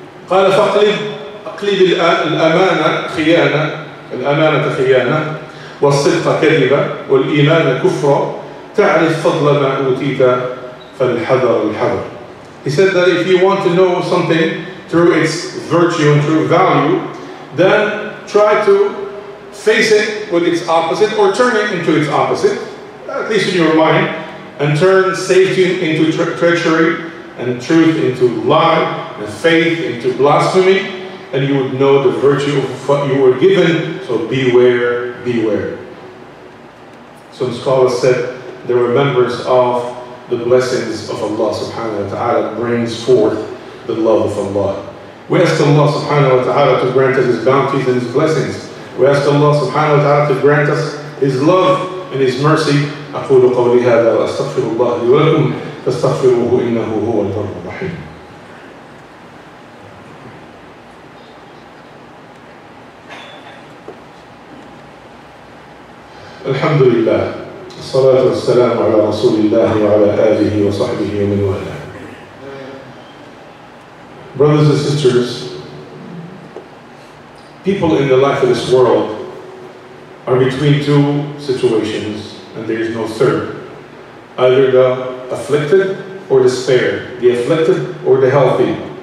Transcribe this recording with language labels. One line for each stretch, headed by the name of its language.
Arabic: قال فاقلب الأمانة خيانة، الأمانة خيانة، والصدق كذبة، والإيمان كفرة، تعرف فضل ما أوتيت فالحذر الحذر.
English: He said that if you want to know something through its virtue and through value, then try to face it with its opposite or turn it into its opposite, at least in your mind, and turn safety into treachery and truth into lie and faith into blasphemy, and you would know the virtue of what you were given. So beware, beware. Some scholars said the remembrance of the blessings of Allah subhanahu wa ta'ala brings forth the love of Allah. We ask Allah subhanahu wa ta'ala to grant us His bounties and His blessings. We ask Allah subhanahu wa ta'ala to grant us His love and His mercy.
Arabic: أقول قولي هذا وأستغفر الله لي ولكم فاستغفروه إنه هو البر الرحيم. الحمد لله الصلاة والسلام على رسول الله وعلى آله وصحبه ومن والاه.
English: Brothers and sisters, people in the life of this world are between two situations, and there is no third. Either the afflicted or the spared, the afflicted or the healthy.